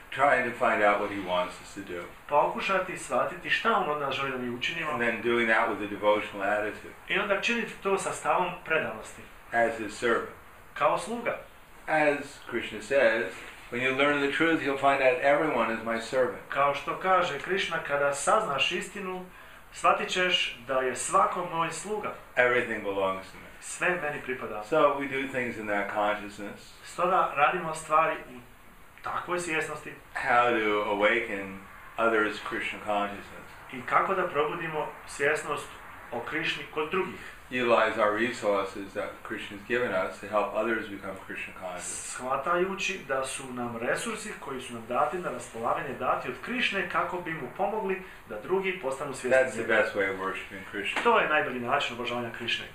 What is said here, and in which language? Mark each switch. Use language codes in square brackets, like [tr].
[en] Trying to find out what he wants us to do. [bs] Pokušati shvatiti šta on od nas želi da mi učinimo. [en] And then doing that with a devotional attitude. [bs] I onda činiti to sa stavom predanosti. [en] As his servant. [bs] Kao sluga. [en] As Krishna says, when you learn the truth, you'll find out everyone is my servant. [bs] Kao što kaže Krishna, kada saznaš istinu, shvatit ćeš da je svako moj sluga. [en] Everything belongs to me. [bs] Sve meni pripada. [en] So we do things in that consciousness. [bs] Stoga radimo stvari u takvoj svjesnosti. [en] How to awaken others Krishna consciousness. [bs] I kako da probudimo svjesnost o Krishni kod drugih. [en] Utilize our resources that Krishna has given us to help others become Krishna conscious. [bs] Shvatajući da su nam resursi koji su nam dati na raspolaganje dati od Krishne kako bi mu pomogli da drugi postanu svjesni. [en] That's the best way of worshiping Krishna. [bs] To je najbolji način obožavanja Krishne.